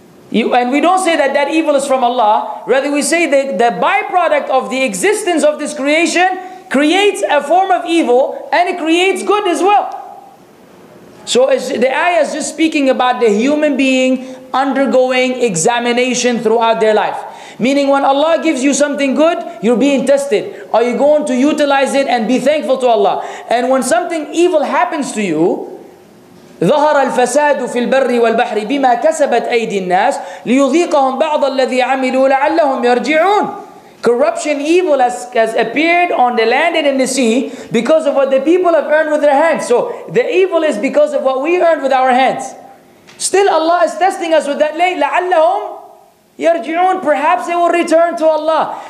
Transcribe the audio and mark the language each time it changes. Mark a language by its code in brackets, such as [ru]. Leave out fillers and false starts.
[en] And we don't say that evil is from Allah. Rather, we say that the byproduct of the existence of this creation creates a form of evil, and it creates good as well. So the ayah is just speaking about the human being undergoing examination throughout their life. Meaning, when Allah gives you something good, you're being tested. Are you going to utilize it and be thankful to Allah? And when something evil happens to you, [ar] ظَهَرَ الْفَسَادُ فِي الْبَرِّ وَالْبَحْرِ بِمَا كَسَبَتْ أَيْدِي النَّاسِ لِيُذِيقَهُمْ بَعْضَ الَّذِي عَمِلُوا لَعَلَّهُمْ يَرْجِعُونَ. [en] Corruption, evil has appeared on the land and in the sea because of what the people have earned with their hands. So the evil is because of what we earned with our hands. Still, Allah is testing us with that. [ar] لَعَلَّهُمْ يرجعون, [en] perhaps they will return to Allah.